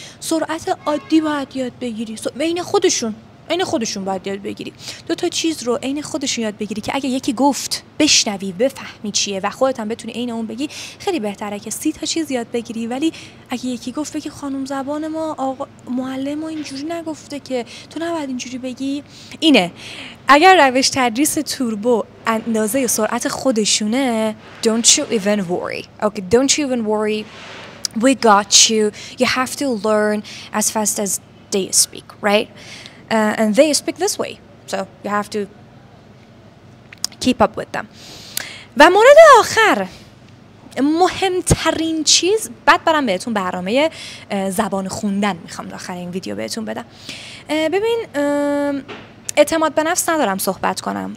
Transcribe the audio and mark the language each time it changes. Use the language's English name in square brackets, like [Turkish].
[Persian] سرعت عادی باید یاد بگیری، عین خودشون باید یاد بگیری. دو تا چیز رو عین خودشون یاد بگیری که اگه یکی گفت بشنوی بفهمی چیه و خودت هم بتونی عین اون بگی. خیلی بهتره که 30 تا چیز یاد بگیری، ولی اگه یکی گفت بگی خانم زبان ما، آقا معلم ما اینجوری نگفته که، تو نباید اینجوری بگی. اینه، اگر روش تدریس توربو اندازه یا سرعت خودشونه، [English] don't you even worry we got you have to learn as fast as they speak right. And they speak this way, so you have to keep up with them. [Persian] و مورد آخر، مهمترین چیز، بعد برم بهتون برنامه زبان خوندن میخوام آخر این ویدیو بهتون بدم. ببین اعتماد به نفس ندارم صحبت کنم.